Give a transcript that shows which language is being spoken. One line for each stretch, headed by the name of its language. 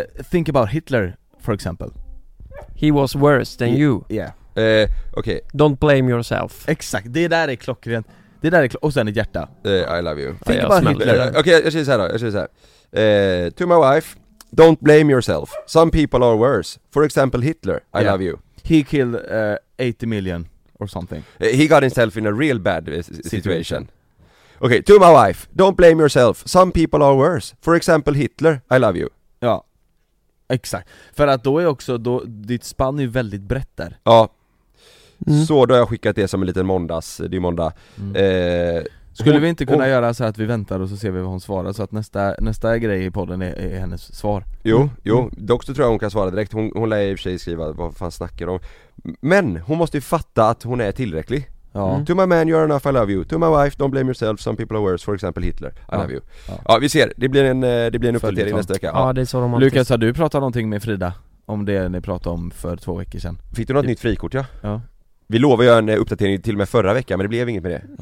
English: Think about Hitler, for example. He was worse than you. Yeah.
Swedish: Okej.
English: Don't blame yourself.
Swedish: Exakt, det där är klockrent. Det där är och sen ett hjärta.
English: I love you. Think about Hitler.
Swedish: Okej, jag säger så här då.
English: To my wife, don't blame yourself. Some people are worse. For example, Hitler. I love you. He killed 80 million or something. He got himself in a real bad situation. Okay, to my wife. Don't blame yourself. Some people are worse. For example, Hitler. I love you.
Swedish: Ja, exakt. För att då är också, ditt spann är väldigt brett där. Ja. Mm. Så då har jag skickat det som en liten måndags. Det är måndag. Skulle vi inte kunna göra så att vi väntar och så ser vi vad hon svarar, så att nästa grej i podden är hennes svar. Jo, dock så tror jag hon kan svara direkt. Hon lär i och för sig skriva vad fan snackar om. Men hon måste ju fatta att hon är tillräcklig. Ja.
English: To my man, you're enough, I love you. To my wife, don't blame yourself, some people are worse, for example Hitler, I love you.
Swedish: Ja, vi ser, det blir en uppdatering nästa vecka. Ja, det är så romantiskt. Lukas, har du pratat någonting med Frida om det ni pratade om för 2 veckor sedan? Fick du något nytt frikort, ja? Ja. Vi lovade göra en uppdatering till och med förra veckan, men det blev inget med det.